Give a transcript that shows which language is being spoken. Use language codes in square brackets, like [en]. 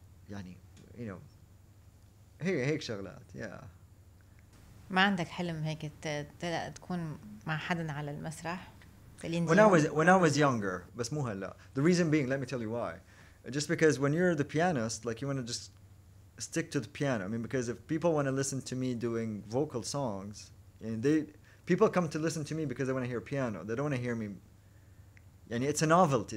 [ar] يعني, [en] you know, [ar] هيك شغلات, yeah. ما عندك حلم هيك تكون مع حدا على المسرح؟ [en] When I was younger, [ar] بس مو هلا. [en] The reason being, let me tell you why. Just because when you're the pianist, like you want to just stick to the piano. I mean, because if people want to listen to me doing vocal songs, and people come to listen to me because they want to hear piano. They don't want to hear me. يعني it's a novelty.